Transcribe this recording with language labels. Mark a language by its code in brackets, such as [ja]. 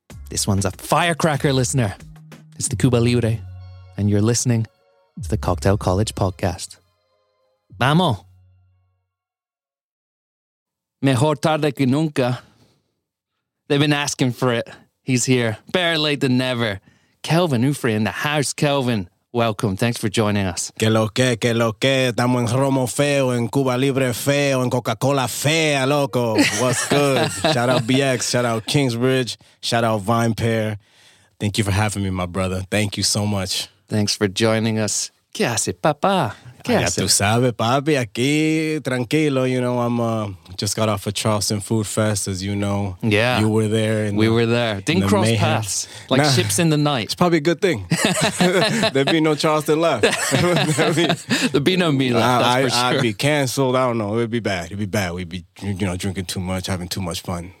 [en] This one's a firecracker, listener. It's the Cuba Libre, and you're listening to the Cocktail College Podcast. Vamos! [es] Mejor tarde que nunca. [en] They've been asking for it. He's here, better late than never. Kelvin Oufre in the house. Kelvin, welcome. Thanks for joining us. [es] Que lo que, estamos en Romo feo, en Cuba Libre feo, en Coca-Cola fea, loco. [en] What's good? Shout out BX, shout out Kingsbridge, shout out Vine Pair. Thank you for having me, my brother. Thank you so much. Thanks for joining us. [es] ¿Qué hace, papá? ¿Qué hace? Ya tú sabes, papi, aquí, tranquilo. [en] You know, I'm just got off of Charleston Food Fest, as you know. Yeah. You were there. We were there. Didn't cross paths. Like ships in the night. It's probably a good thing. There'd be no Charleston left. There'd be no me left, that's for sure. I'd be canceled. I don't know. It'd be bad. It'd be bad. We'd be, you know, drinking too much, having too much fun.